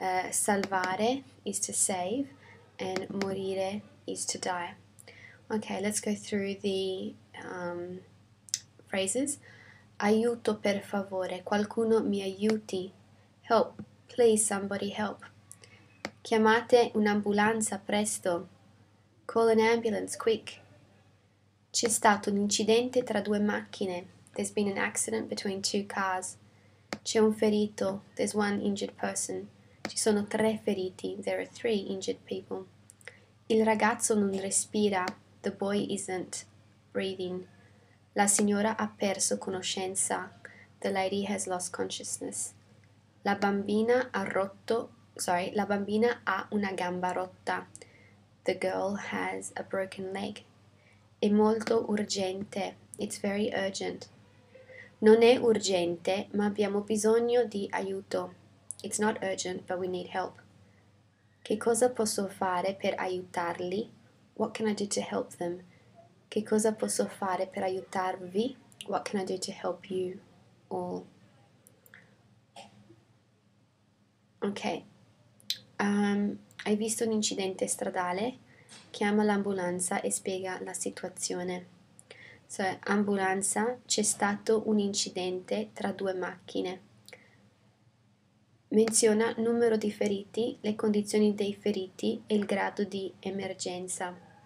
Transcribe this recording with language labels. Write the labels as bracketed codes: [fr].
[en] Salvare is to save, and morire is to die. Okay, let's go through the phrases. [it] Aiuto per favore, qualcuno mi aiuti. [en] Help, please somebody help. [it] Chiamate un'ambulanza presto. [en] Call an ambulance quick. [it] C'è stato un incidente tra due macchine. [en] There's been an accident between two cars. [it] C'è un ferito. [en] There's one injured person. [it] Ci sono tre feriti. [en] There are three injured people. [it] Il ragazzo non respira. [en] The boy isn't breathing. [it] La signora ha perso conoscenza. [en] The lady has lost consciousness. [it] La bambina ha rotto. Sorry, la bambina ha una gamba rotta. [en] The girl has a broken leg. [it] È molto urgente. [en] It's very urgent. [it] Non è urgente, ma abbiamo bisogno di aiuto. [en] It's not urgent, but we need help. [it] Che cosa posso fare per aiutarli? [en] What can I do to help them? [it] Che cosa posso fare per aiutarvi? [en] What can I do to help you all? Ok. [it] Hai visto un incidente stradale? Chiama l'ambulanza e spiega la situazione. So, ambulanza, c'è stato un incidente tra due macchine. Menziona numero di feriti, le condizioni dei feriti e il grado di emergenza.